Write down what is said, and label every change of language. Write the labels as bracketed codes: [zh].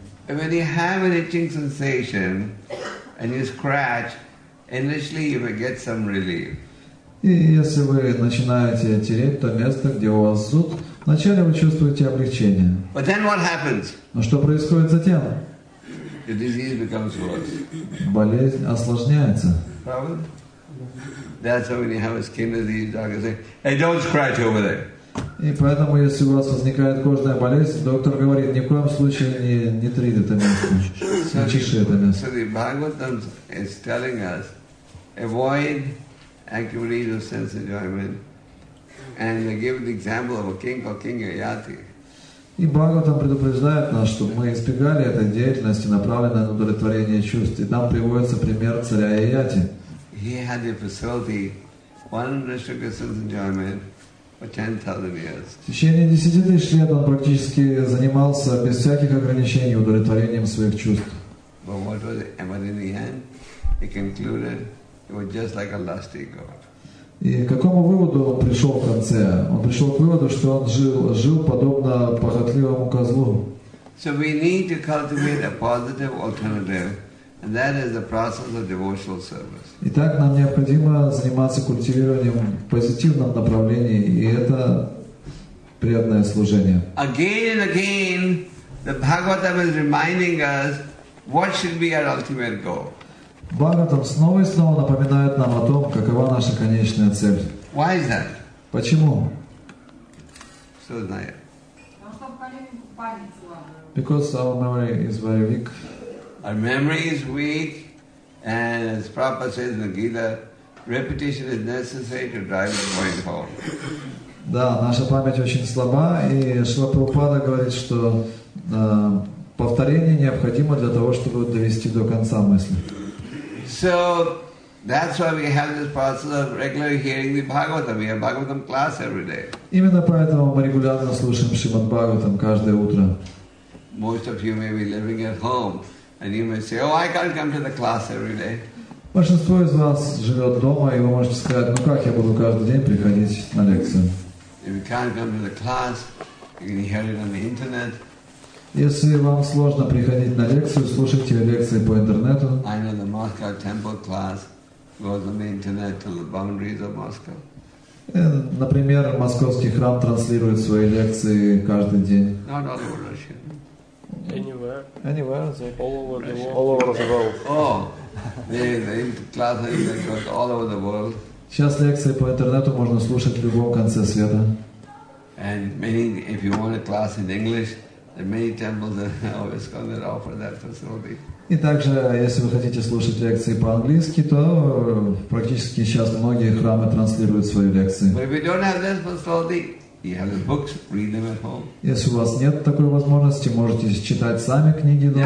[en] When you have an itching sensation and you scratch, initially you will get some relief. [ru] И если вы начинаете тереть то место, где у вас зуд, вначале вы чувствуете облегчение. [en] But then what happens? [ru] Но что происходит затем? [en] The disease becomes worse. [ru] Болезнь осложняется. Правда? [en] That's how when you have a skin disease, doctor say, "Hey, don't scratch over there." [ru] И поэтому, если у вас возникает кожная болезнь, доктор говорит, ни в коем случае не три это место, не чеши это место. [en] So the Bhagavatam is telling us, avoid activities of sense enjoyment, and they give the example of a king called King Yayati. [ru] И Бхагаватам предупреждает нас, чтобы мы избегали этой деятельности, направленной на удовлетворение чувств. И там приводится пример царя Яяти. [en] He had the facility, one restricted sense enjoyment, for 10,000 years. [ru] В течение 10,000 лет он практически занимался без всяких ограничений удовлетворением своих чувств. [en] But what was it? But in the end, he concluded, it was just like a lusty god. [ru] И к какому выводу он пришел в конце? Он пришел к выводу, что он жил подобно похотливому козлу. [en] So we need to cultivate a positive alternative, and that is the process of devotional service. [ru] Итак, нам необходимо заниматься культивированием в позитивном направлении, и это преданное служение. [en] Again and again, the Bhagavatam is reminding us what should be our ultimate goal. [ru] Бхагаватам снова и снова напоминает нам о том, какова наша конечная цель. Why is that? Почему? Что знаю? [en] Because our memory is very weak. Our memory is weak, and as Prabhupada says in the Gita, repetition is necessary to drive the point home. [ru] Да, наша память очень слаба, и Шрила Прабхупада говорит, что повторение необходимо для того, чтобы довести до конца мысли. [en] So that's why we have this process of regularly hearing the Bhagavatam. We have Bhagavatam class every day. [ru] Именно поэтому мы регулярно слушаем Шримад Бхагаватам каждое утро. [en] Most of you may be living at home, and you may say, "Oh, I can't come to the class every day." [ru] Большинство из вас живет дома, и вы можете сказать, "Ну как я буду каждый день приходить на лекцию?" [en] If you can't come to the class, you can hear it on the internet. [ru] Если вам сложно приходить на лекцию, слушайте лекции по интернету. [en] I know the Moscow Temple class goes on the internet to the boundaries of Moscow. [ru] Например, московский храм транслирует свои лекции каждый день. [en] Not all over Russia. Anywhere. All over the world. The class goes all over the world. [ru] Сейчас лекции по интернету можно слушать в любом конце света. [en] And meaning, if you want a class in English, there are many temples that always come that offer that facility. [ru] И также, если вы хотите слушать лекции по-английски, то практически сейчас многие храмы транслируют свои лекции. [en] But if you don't have this facility, you have the books, read them at home. [ru] Если у вас нет такой возможности, можете читать сами книги дома.